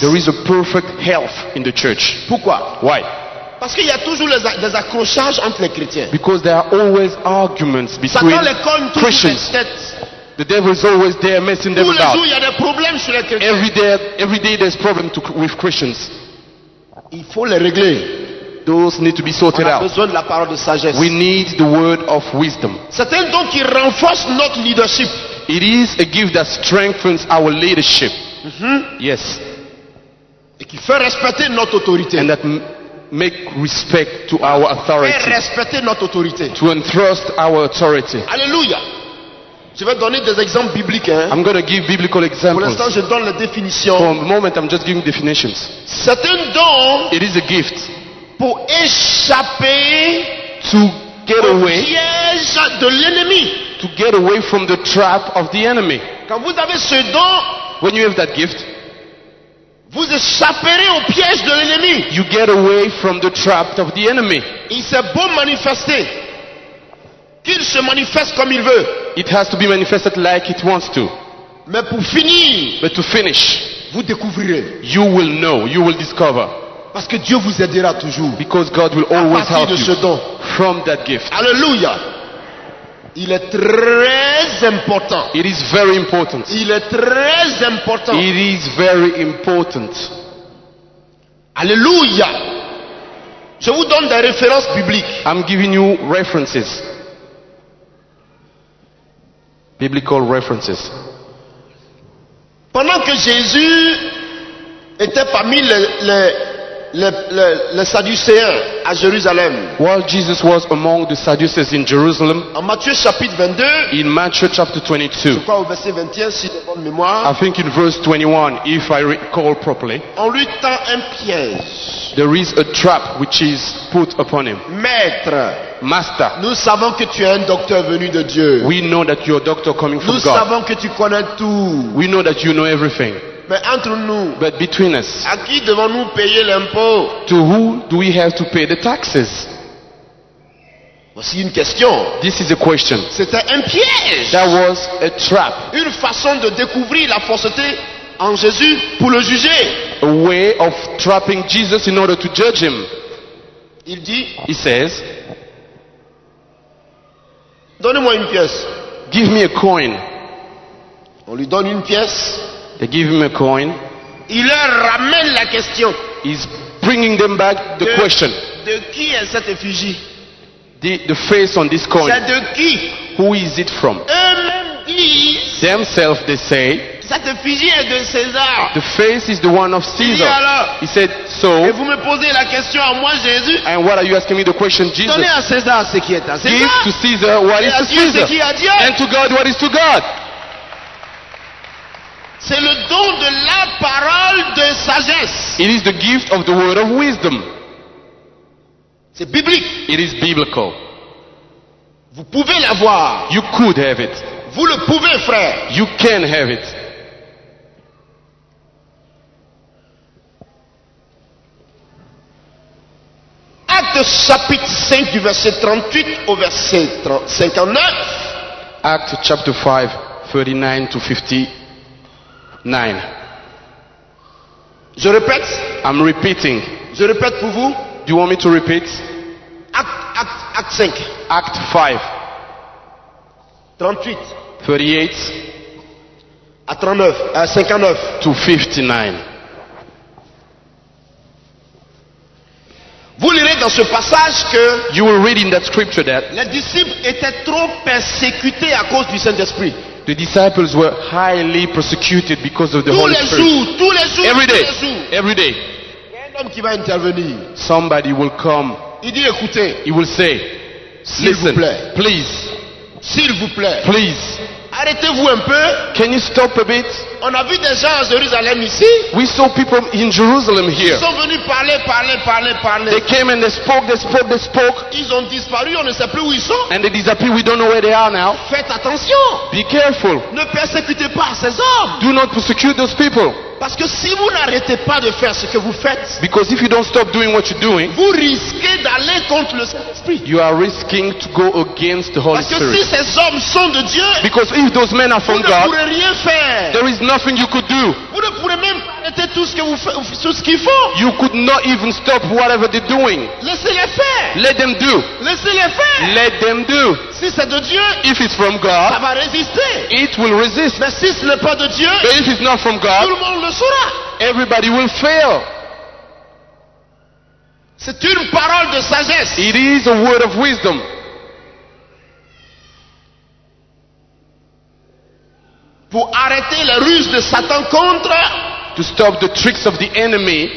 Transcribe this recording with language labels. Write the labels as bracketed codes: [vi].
[en] There is a perfect health in the church. [fr] Pourquoi? [en] Why? [fr] Parce qu'il y a toujours des accrochages entre les chrétiens. [en] Because there are always arguments between Christians. The devil is always there messing them about. Every day there's problems with Christians. [fr] Il faut les régler. [en] Those need to be sorted out. [fr] On a besoin de la parole de sagesse. [en] We need the word of wisdom. [fr] C'est un don qui renforce notre leadership. [en] It is a gift that strengthens our leadership. Mm-hmm. Yes. [fr] Et qui fait respecter notre autorité. [en] And that make respect to our authority. [fr] Fait respecter notre autorité. [en] To entrust our authority. [fr] Alléluia. Je vais donner des exemples bibliques. Hein. [en] I'm going to give biblical examples. [fr] Pour l'instant, je donne la définition. [en] For a moment, I'm just giving definitions. [fr] C'est un don. [en] It is a gift. [fr] Pour échapper. [en] To get away. [fr] Au piège de l'ennemi. [en] To get away from the trap of the enemy. [fr] Quand vous avez ce don. [en] When you have that gift. [fr] Vous échapperez au piège de l'ennemi. [en] You get away from the trap of the enemy. [fr] Il s'est beau manifester. Qu'il se manifeste comme il veut. [en] It has to be manifested like it wants to. [fr] Mais pour finir, [en] but to finish, [fr] vous découvrirez. [en] You will know, you will discover. [fr] Parce que Dieu vous aidera toujours. [en] Because God will always help you. From that gift. [fr] Alléluia. Il est très important. [en] It is very important. [fr] Il est très important. [en] It is very important. [fr] Alléluia. Je vous donne des références bibliques. [en] I'm giving you references. Biblical references. [fr] Pendant que Jésus était parmi les Sadducéens à Jérusalem. [en] While Jesus was among the Sadducees in Jerusalem. [fr] En Matthieu chapitre 22. [en] In Matthew chapter 22. [fr] Je crois au verset 21 si j'ai bonne mémoire. [en] I think in verse 21, if I recall properly. [fr] On lui tend un piège. [en] There is a trap which is put upon him. [fr] Maître. [en] Master. [fr] Nous savons que tu es un docteur venu de Dieu. [en] We know that you're a doctor coming from [fr] nous [en] God. [fr] Nous savons que tu connais tout. [en] We know that you know everything. [fr] Mais entre nous, [en] but between us, [fr] à qui devons-nous payer l'impôt? [en] To who do we have to pay the taxes? [fr] Voici une question. [en] This is a question. [fr] C'était un piège. [en] That was a trap. [fr] Une façon de découvrir la fausseté en Jésus pour le juger. [en] A way of trapping Jesus in order to judge him. [fr] Il dit, [en] he says, [fr] donnez-moi une pièce. [en] Give me a coin. [fr] On lui donne une pièce. [en] They give him a coin. [fr] Il leur ramène la question. [en] He's bringing them back the question. [fr] De qui est cette effigie? [en] The face on this coin. [fr] C'est de qui? [en] Who is it from? [fr] Eux-mêmes disent. [en] Themselves, they say. [fr] Cette effigie est de César. [en] The face is the one of Caesar. [fr] Et alors, [en] he said, so. [fr] Et vous me posez la question à moi, Jésus? [en] And what are you asking me the question, Jesus? [fr] Donnez à César ce qui est à César. [en] Give to Caesar what is to Caesar. And to God what is to God. [fr] C'est le don de la parole de sagesse. [en] It is the gift of the word of wisdom. [fr] C'est biblique. [en] It is biblical. [fr] Vous pouvez l'avoir. [en] You could have it. [fr] Vous le pouvez, frère. [en] You can have it. [fr] Actes chapitre 5 du verset 38 au verset 59. [en] Acts chapter 5, 39 to 59. [fr] Je répète. [en] I'm repeating. [fr] Je répète pour vous. [en] Do you want me to repeat? Act 5. Act 5. [fr] 38. [en] 38 [fr] à 39, à 59 [en] to 59. [fr] Vous lirez dans ce passage que [en] you will read in that scripture that [fr] les disciples étaient trop persécutés à cause du Saint-Esprit. [en] The disciples were highly persecuted because of the [fr] tous [en] Holy Spirit. [fr] Tous les jours, [en] every day, [fr] tous les jours. [en] Every day. [fr] Il y a un homme qui va intervenir. [en] Somebody will come. [fr] Il dit, écoutez. [en] He will say, [fr] s'il [en] listen, [fr] vous plaît. [en] Please. [fr] S'il vous plaît. [en] Please. [fr] Arrêtez-vous un peu. [en] Can you stop a bit? [fr] On a vu des gens à Jérusalem ici. [en] We saw people in Jerusalem here. [fr] Ils sont venus parler. [en] They came and they spoke. [fr] Ils ont disparu, on ne sait plus où ils sont. [en] And they disappeared, we don't know where they are now. [fr] Faites attention. [en] Be careful. [fr] Ne persécutez pas ces hommes. [en] Do not persecute those people. [fr] Parce que si vous n'arrêtez pas de faire ce que vous faites, [en] because if you don't stop doing what you're doing, [fr] vous risquez d'aller contre le Saint-Esprit. [en] You are risking to go against the Holy Spirit. [fr] Parce que si ces hommes sont de Dieu, [en] because if those men are from God, [fr] vous ne pourrez rien faire. [en] There is nothing you could do. [fr] Vous ne pourrez même arrêter tout ce qu'ils font. [en] You could not even stop whatever they're doing. [fr] Laissez-les faire. [en] Let them do. [fr] Laissez-les faire. [en] Let them do. [fr] Si c'est de Dieu, [en] if it's from God, [fr] ça va résister. [en] It will resist. [fr] Mais si ce n'est pas de Dieu, [en] but if it's not from God, [fr] tout le monde le saura. [en] Everybody will fail. [fr] C'est une parole de sagesse. [en] It is a word of wisdom. [fr] Pour arrêter les ruses de Satan contre, [en] to stop the tricks of the enemy,